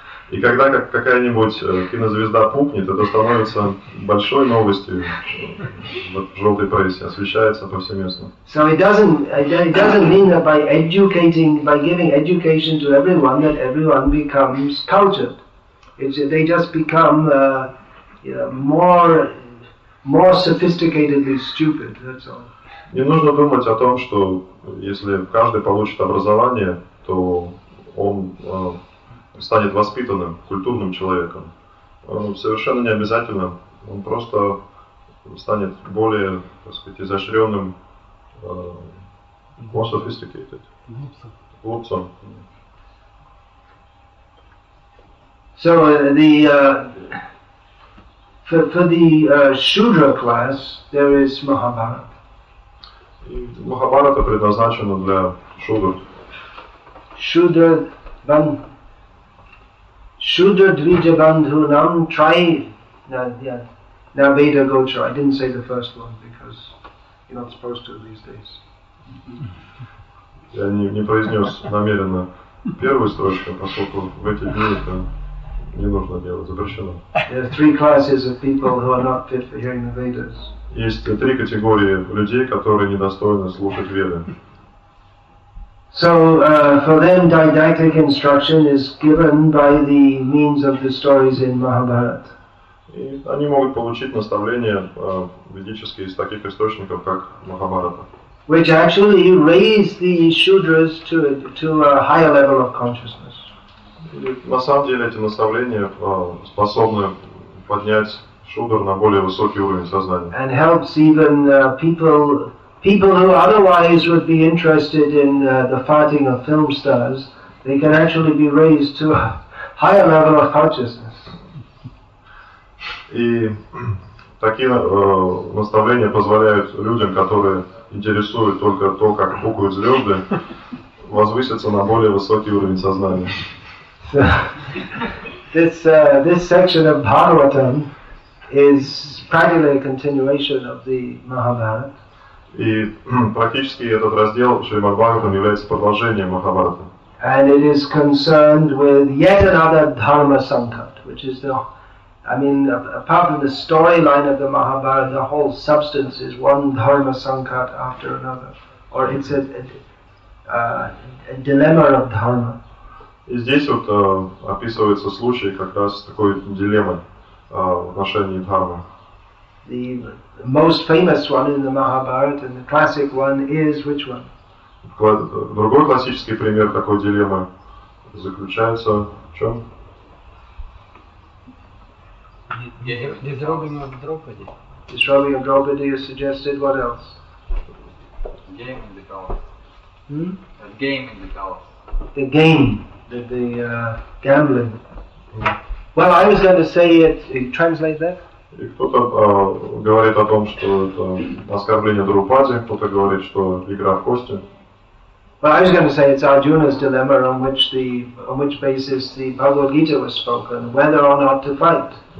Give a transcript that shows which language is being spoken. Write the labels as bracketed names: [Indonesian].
[Russian] И когда какая-нибудь кинозвезда пукнет, это становится большой новостью в желтой прессе, освещается повсеместно. [English] So it doesn't mean that by giving education to everyone, that everyone becomes cultured. They just become more sophisticatedly stupid, that's all. [Russian] Не нужно думать о том, что если каждый получит образование, то он станет воспитанным, культурным человеком. Совершенно не обязательно. Он просто станет более, так сказать, изощренным, [English] more sophisticated. [Russian] Глупцом. [English] So for the Shudra class there is Mahabharata. [Russian] Mahabharata предназначена для Шудр. [Sanskrit] Shudra Dvija Bandhu Nam Tri Naveda Gochar. [English] I didn't say the first one because you're not supposed to these days. [Russian] Я не произнес намеренно первую строчку, поскольку в эти дни это не нужно делать, запрещено. [English] There are three classes of people who are not fit for hearing the Vedas. [Russian] Есть три категории людей, которые недостойны слушать Веды. [English] So for them, didactic instruction is given by the means of the stories in Mahabharata. [Russian] И они могут получить наставления ведические из таких источников, как Махабхарата. [English] Which actually raise the shudras to a higher level of consciousness. [Russian] На самом деле эти наставления способны поднять шудр на более высокий уровень сознания. [English] And helps even people who otherwise would be interested in the farting of film stars, they can actually be raised to a higher level of consciousness. [Russian] И такие наставления позволяют людям, которые интересуют только то, как пукают звезды, возвыситься на более высокий уровень сознания. [English] This section of Bhagavatam is practically a continuation of the Mahabharata. [Russian] И практически этот раздел Шримад-Бхагаватам является продолжением Махабхараты. [English] And it is concerned with yet another dharma sankat, which is the apart from the storyline of the Mahabharata, the whole substance is one dharma sankat after another, or it's a dilemma of dharma. [Russian] И здесь вот описывается случай как раз такой дилеммы в отношении дхармы. [English] The most famous one in the Mahabharata and the classic one is which one? [Russian] Другой классический пример такой дилеммы заключается в чем? [English] Disrobing of Draupadi. Disrobing of Draupadi is suggested. What else? Game in the palace. Hmm? A game in the palace. The game. The gambling. Yeah. Well, I was going to say it. Translate that. [Russian] И кто-то говорит о том, что это оскорбление Друпади, кто-то говорит, что игра в кости. [English] Well, I was going to say it's Arjuna's dilemma on which basis the Bhagavad Gita was spoken, whether or not to fight.